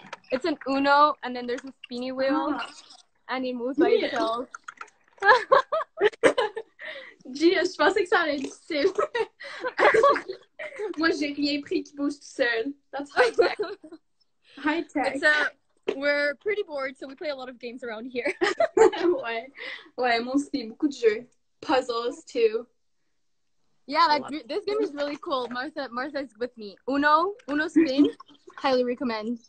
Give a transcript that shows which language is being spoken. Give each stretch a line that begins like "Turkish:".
English: It's an Uno, and then there's a spinny wheel, and it moves by itself.
French: Gia, je pensais que ça allait être difficile. Moi, j'ai rien pris qui bouge tout seul.
English: That's high tech. High tech. It's we're pretty bored, so we play a lot of games around here.
French: Ouais, moi aussi, beaucoup de jeux.
English: Puzzles, too. Yeah, this game is really cool. Martha's with me. Uno spin. Highly recommend.